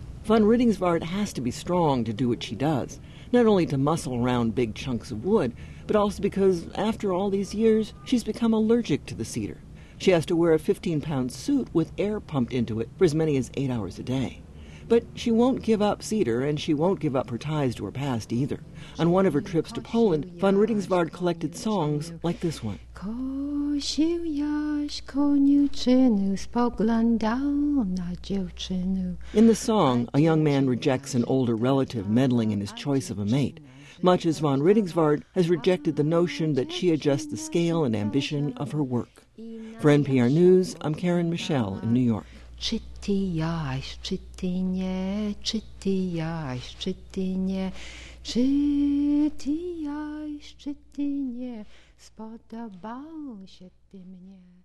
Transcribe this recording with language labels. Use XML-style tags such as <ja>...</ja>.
<en>Von Reitingsvard has to be strong to do what she does, not only to muscle around big chunks of wood, but also because, after all these years, she's become allergic to the cedar. She has to wear a 15-pound suit with air pumped into it for as many as 8 hours a day. But she won't give up cedar, and she won't give up her ties to her past either. On one of her trips to Poland, von Riddingsvard collected songs like this one.</en> <pl>Kosił jaś koniuczynę, spoglądał na dziewczynę.</pl> <en>In the song, a young man rejects an older relative meddling in his choice of a mate, much as von Riddingsvard has rejected the notion that she adjusts the scale and ambition of her work. For NPR News, I'm Karen Michel in New York.</en> <pl>Czy ty jaś, czy ty nie, czy ty jaś, czy ty nie, czy ty jaś, czy ty nie, spodobał się ty mnie.</pl>